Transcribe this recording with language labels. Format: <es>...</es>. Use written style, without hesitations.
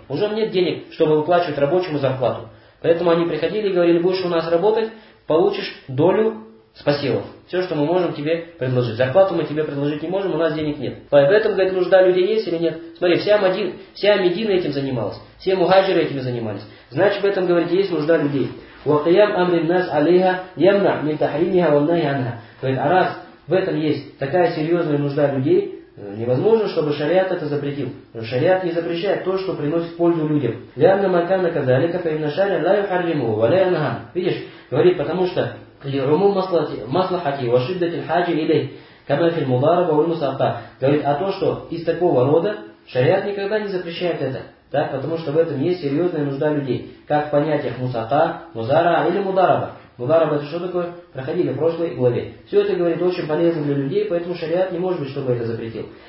<ru>У жен нет денег, чтобы выплачивать рабочему зарплату. Поэтому они приходили и говорили, будешь у нас работать, получишь долю с посевов. Все, что мы можем тебе предложить. Зарплату мы тебе предложить не можем, у нас денег нет. Поэтому, говорит, нужда людей есть или нет? Смотри, вся Медина этим занималась, все мухаджиры этим занимались. Значит, в этом, говорит, есть нужда людей.</ru> <ar>وقيام أمر الناس عليها يمنع من تحريمها والنهي عنها.</ar> <ru>То есть, а раз в этом есть такая серьезная нужда людей, невозможно, чтобы шариат это запретил. Шариат не запрещает то, что приносит пользу людям.</ru> <ar>لأن ما كان كذلك فإن الشارع لا يحرمه ولا ينهى.</ar> <ru>Видишь, говорит, потому что</ru> <ar>لعموم مصلحته وشدة الحاجة إليه كما في المضاربة والمصافاة.</ar> <ru>Говорит, а то, что из такого рода, шариат никогда не запрещает это. Так, потому что в этом есть серьезная нужда людей. Как в понятиях мусата, музара или мудараба. Мудараба это что такое? Проходили в прошлой главе. Все это говорит очень полезно для людей, поэтому шариат не может быть, чтобы это запретил.</ru>